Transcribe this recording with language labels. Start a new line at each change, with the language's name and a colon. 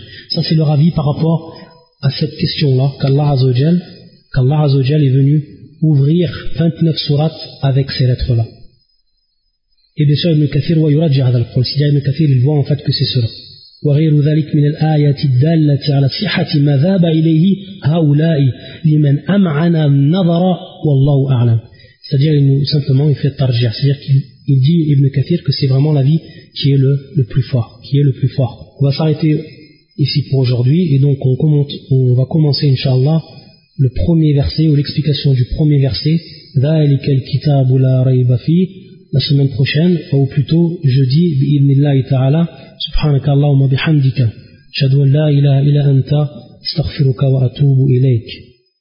French: Ça c'est leur avis par rapport à cette question-là, qu'Allah Azza wa Jal est venu ouvrir 29 sourates avec ces lettres-là. Et bien sûr, Ibn Kathir
Arabic: wa yuraji' hadha al-qawl.
French: Si Ibn Kathir, il voit en fait que c'est cela.
Arabic: وغير ذلك من الآيات الدالة على صحة ما ذاب إليه هؤلاء لمن أمعن النظر والله أعلم.
French: C'est-à-dire, il nous, simplement, il fait tarjih. C'est-à-dire qu'il dit, Ibn Kathir, que c'est vraiment l'avis qui est le plus fort, qui est le plus fort. On va s'arrêter ici pour aujourd'hui, et donc on va commencer, inshallah, le premier verset, ou l'explication du premier verset,
Arabic: ذلك الكتاب لا ريب فيه,
French: la semaine prochaine, ou plutôt jeudi,
Arabic: بإذن الله تعالى, سبحانك اللهم وبحمدك, أشهد أن لا إله إلا أنت, أستغفرك وأتوب إليك.